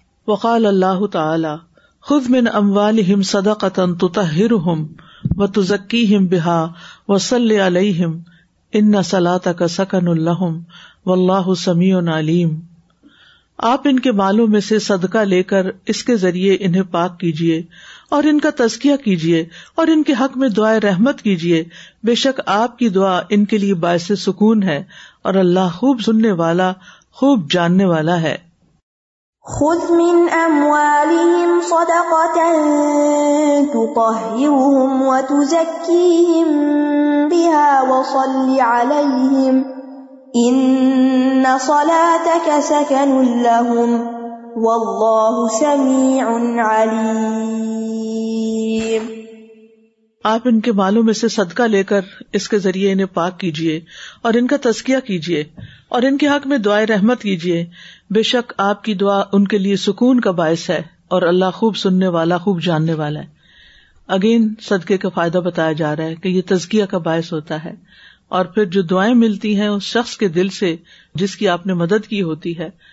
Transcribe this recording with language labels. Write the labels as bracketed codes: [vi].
[ar] وقال الله تعالى خذ من اموالهم صدقة تطهرهم وتزكيهم بها وصل عليهم ان صلاتك سكن لهم والله سميع عليم. [ur] آپ ان کے مالوں میں سے صدقہ لے کر اس کے ذریعے انہیں پاک کیجئے اور ان کا تزکیہ کیجئے اور ان کے حق میں دعائے رحمت کیجئے، بے شک آپ کی دعا ان کے لیے باعث سکون ہے، اور اللہ خوب سننے والا خوب جاننے والا ہے. [ar] خذ من اموالهم صدقة تطهرهم وتزكيهم بها وصل عليهم ان صلاتك سكن لهم والله سميع عليم. [ur] آپ ان کے مالوں میں سے صدقہ لے کر اس کے ذریعے انہیں پاک کیجئے اور ان کا تزکیہ کیجئے اور ان کے حق میں دعائے رحمت کیجئے، بے شک آپ کی دعا ان کے لیے سکون کا باعث ہے، اور اللہ خوب سننے والا خوب جاننے والا ہے. اگین صدقے کا فائدہ بتایا جا رہا ہے کہ یہ تزکیہ کا باعث ہوتا ہے، اور پھر جو دعائیں ملتی ہیں اس شخص کے دل سے جس کی آپ نے مدد کی ہوتی ہے،